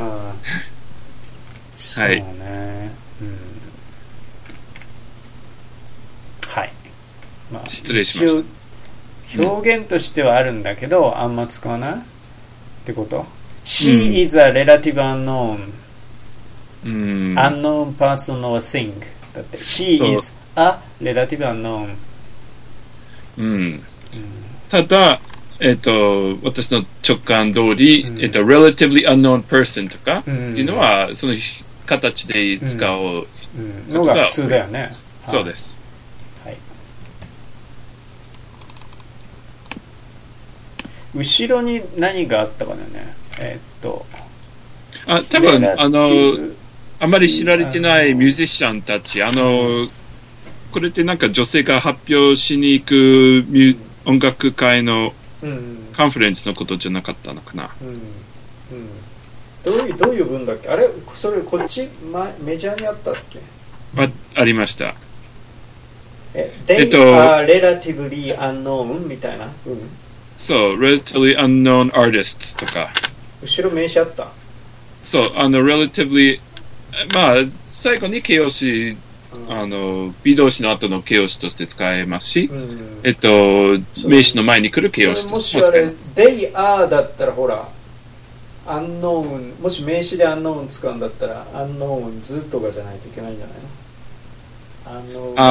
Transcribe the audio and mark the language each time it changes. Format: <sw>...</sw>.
<ja>はい、そうね、うん、はい、まあ、失礼しました。一応表現としてはあるんだけど、うん、あんま使わないってこと。</ja> <en>She、</en> <ja>うん、</ja> <en>is a relative unknown、</en> <ja>うん、</ja> <en>unknown person or thing</en> <ja>だって。</ja> <en>She is a relative unknown</en> <ja>うんうん、ただ、私の直感通り、うん、</ja> <en>relatively unknown person</en> <ja>とかっていうのは、うん、その形で使う、うんうん、のが普通だよね。そうです、はいはい、後ろに何があったかだよね。あ、多分あのあまり知られてないミュージシャンたち、あの、うん、これってなんか女性が発表しに行く音楽会のカンファレンスのことじゃなかったのかな、うんうんうん、どういう文だっけ。あれ、それこっち、ま、メジャーにあったっけ。ありました。</ja> <en>They are relatively unknown</en> <ja>みたいな、うん、そう、</ja> <en>relatively unknown artists</en> <ja>とか後ろ名詞あった。そう、あの relatively、 まあ最後に形容詞、あの B 動詞の後の形容詞として使えますし、うん、名詞の前に来る形容詞としても使えます。もしあれ</ja> <en>They are</en> <ja>だったらほら、unknown、 もし名詞で unknown 使うんだったら unknowns とかじゃないといけないんじゃないの？</ja>